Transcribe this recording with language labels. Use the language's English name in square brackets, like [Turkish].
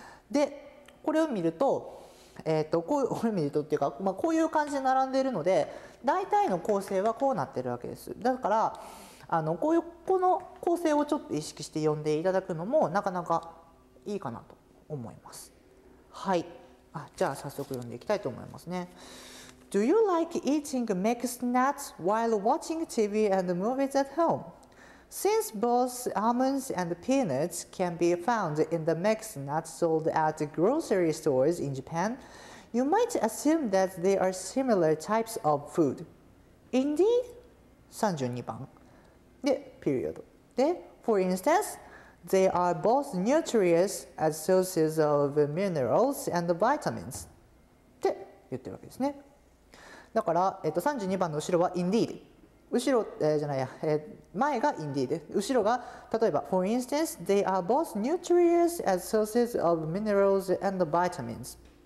[Japanese] でこれを見ると、これを見るとっていうか、まあ、こういう感じで並んでいるので大体の構成はこうなってるわけです。だからこういうこの構成をちょっと意識して読んでいただくのもなかなかいいかなと思います。はい、じゃあ早速読んでいきたいと思いますね。 [English] Do you like eating mixed nuts while watching TV and movies at home? Since both almonds and peanuts can be found in the mixed nuts sold at grocery stores in Japan, you might assume that they are similar types of food. [Japanese] Indeed? 32番。で、period。 [English] で、for instance, they are both nutritious as sources of minerals and vitamins. [Japanese] って言ってるわけですね。だから、32番の後ろは indeed、 前が indeed、 後ろが例えば [English] for instance they are both nutritious as sources of minerals and vitamins。